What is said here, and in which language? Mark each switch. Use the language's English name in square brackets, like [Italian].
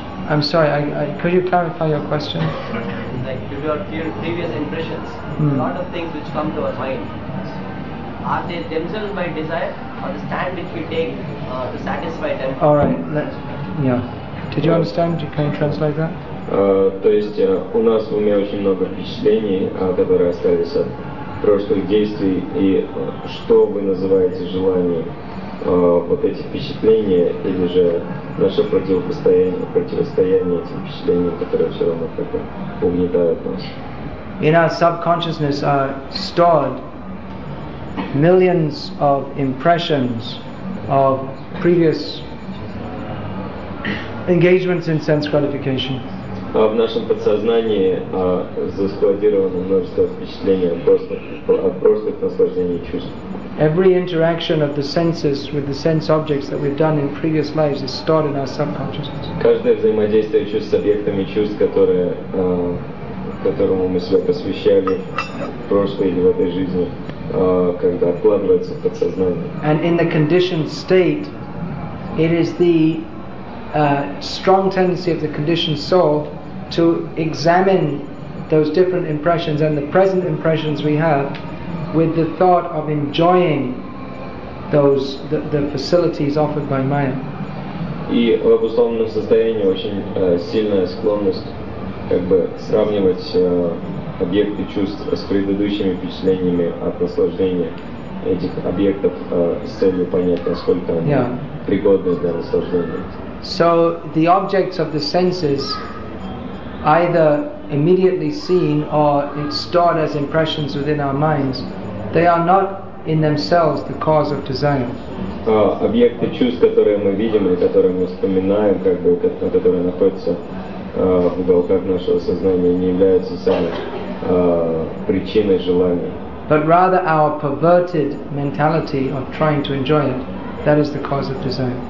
[English] I'm sorry, could you clarify your question? Like, if your previous impressions, a lot of things which come to our mind, are they themselves by desire, or the stand which we take to satisfy them? Alright, did you understand? Can you translate that? [Russian] То есть у нас в уме очень много впечатлений, которые остались от прошлых действий, и что вы называете желанием? Вот эти впечатления или же наше противостояние этим впечатлениям, которые все равно как-то угнетают нас. [English] In our subconsciousness are stored millions of impressions of previous engagements in sense gratification. [Russian] В нашем подсознании заскладировано множество впечатлений от прошлых наслаждений чувств. [English] Every interaction of the senses with the sense objects that we've done in previous lives is stored in our subconsciousness. [Russian] Каждое взаимодействие чувств с объектами чувств, которому мы себя посвящали в прошлой или в этой жизни, когда откладывается в подсознание. [English] And in the conditioned state, it is the strong tendency of the conditioned soul to examine those different impressions and the present impressions we have with the thought of enjoying those the facilities offered by Maya. [Russian] И в обусловленном состоянии очень сильная склонность как бы сравнивать объекты чувств с предыдущими впечатлениями от наслаждения этих объектов с целью понять, насколько они пригодны для наслаждения. [English] So the objects of the senses either immediately seen or stored as impressions within our minds, they are not in themselves the cause of desire. [Russian] Объекты чувств, которые мы видим или которые мы вспоминаем, как бы, которые находятся в уголках нашего сознания, не являются самой причиной желания. [English] But rather our perverted mentality of trying to enjoy it, that is the cause of desire.